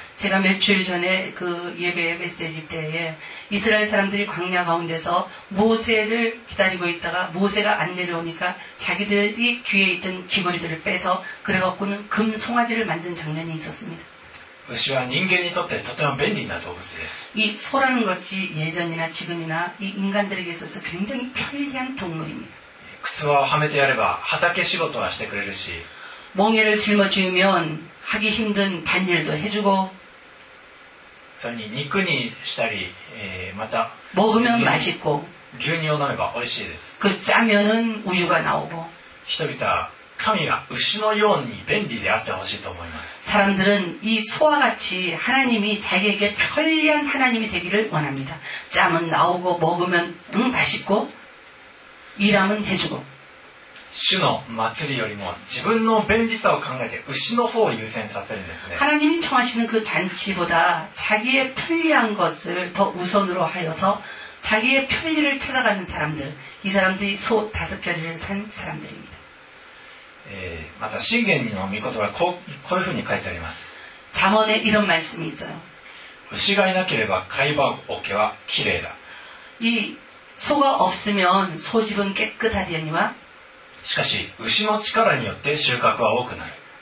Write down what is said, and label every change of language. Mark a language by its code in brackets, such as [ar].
[ko] 제가며칠전에그예배메시지때에이스라엘사람들이광야가운데서모세를기다리고있다가모세가안내려오니까자기들이귀에있던귀걸이들을빼서그래갖고는금송아지를만든장면이있었습니다 [ja] 牛は人間にとってとても便利な動物です [ko] 이소라는것이예전이나지금이나이인간들에게있어서굉장히편리한동물입니다 [ja] 靴輪をはめてやれば畑仕事はしてくれるし [ko] 멍에를짊어지면하기힘든단일도해주고 [ja] それに肉にしたりまた [ko] 먹으면맛있고 [ja] 牛乳を飲めば美味しいです [ko] 그짜면은우유가나오고 [ja] 人々は神が牛のように便利であってほしいと思います [ko] 사람들은이소와같이하나님이자기에게편리한하나님이되기를원합니다짬은나오고먹으면맛있고일함은해주고 [ja] 主の祭りよりも自分の便利さを考えて牛の方を優先させるんですね [ko] 하나님이청하시는그잔치보다자기의편리한것을더우선으로하여서자기의편리를찾아가는사람들이사람들이소다섯결을산사람들입니다 [ja] また箴言の御言葉はこういうふうに書いてあります [ko] 잠언에이런말씀이있어요 [ja] 牛がいなければ貝場桶はきれいだ [ko] 이소가없으면소집은깨끗하리니와 [ja] しかし牛の力によって収穫は多くなる